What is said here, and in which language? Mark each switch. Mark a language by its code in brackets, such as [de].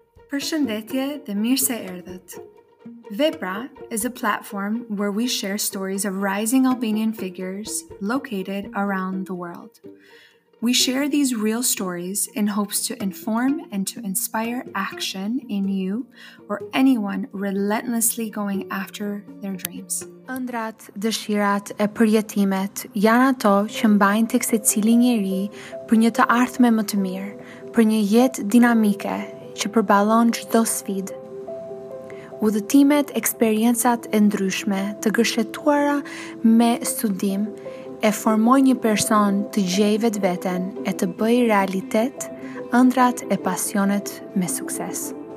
[sq] Përshëndetje dhe mirë se erdhët. [en] Vepra is a platform where we share stories of rising Albanian figures located around the world. We share these real stories in hopes to inform and to inspire action in you or anyone relentlessly going after their dreams. [sq] Ëndrat, dëshirat e përjetimet janë ato që mbajnë tek secili njeri për një të ardhme më të mirë, për një jetë dinamike që përballon çdo sfidë. Udhëtimet, eksperiencat e ndryshme, të gërshetuara me studim, e formoj një person të gjej vetveten e të bëj realitet ëndrat e pasionet me sukses.